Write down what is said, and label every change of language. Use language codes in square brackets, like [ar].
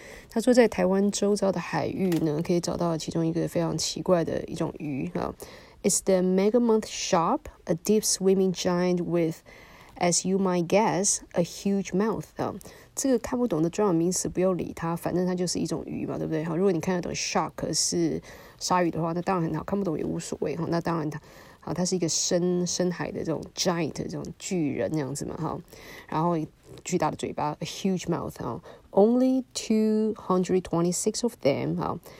[zh] 他说在台湾周遭的海域呢可以找到其中一个非常奇怪的一种鱼。 [en] It's the megamouth shark, a deep swimming giant with, as you might guess, a huge mouth. [zh] 这个看不懂的专有名词不要理它，反正它就是一种鱼嘛，对不对？如果你看得懂 shark 是鲨鱼的话，那当然很好，看不懂也无所谓。那当然它是一个深海的这种 giant, 这种巨人这样子嘛。然后巨大的嘴巴 [en] ,a huge mouth. Only 226 of them.